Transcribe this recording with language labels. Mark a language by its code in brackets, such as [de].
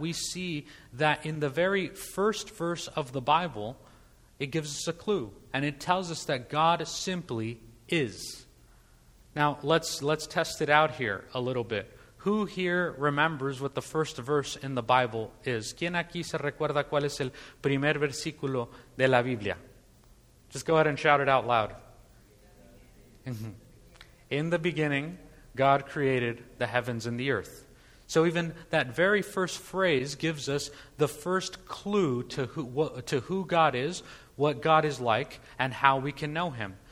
[en] We see that in the very first verse of the Bible, it gives us a clue, and it tells us that God simply is. Now, let's test it out here a little bit. Who here remembers what the first verse in the Bible is? [es] ¿Quién aquí se recuerda cuál es el primer versículo de la Biblia? [en] Just go ahead and shout it out loud. In the beginning, God created the heavens and the earth. So even that very first phrase gives us the first clue to who God is, what God is like, and how we can know him.